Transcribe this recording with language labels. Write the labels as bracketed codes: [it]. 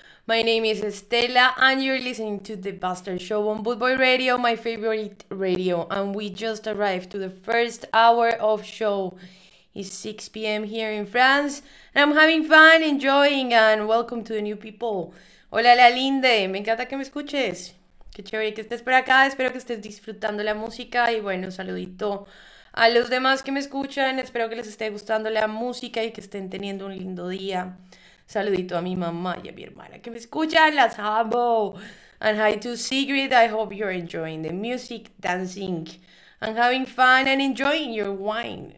[en] My name is Estela and you're listening to The Bastard Show on Boot Boy Radio, my favorite radio. And we just arrived to the first hour of show. It's 6 p.m. here in France and I'm having fun, enjoying, and welcome to the new people. [es] Hola la linde, me encanta que me escuches. Qué chévere que estés por acá, espero que estés disfrutando la música y bueno, saludito a los demás que me escuchan, espero que les esté gustando la música y que estén teniendo un lindo día. Saludito a mi mamá y a mi hermana que me escuchan, las amo. [en] And hi to Sigrid, I hope you're enjoying the music, dancing, and having fun and enjoying your wine.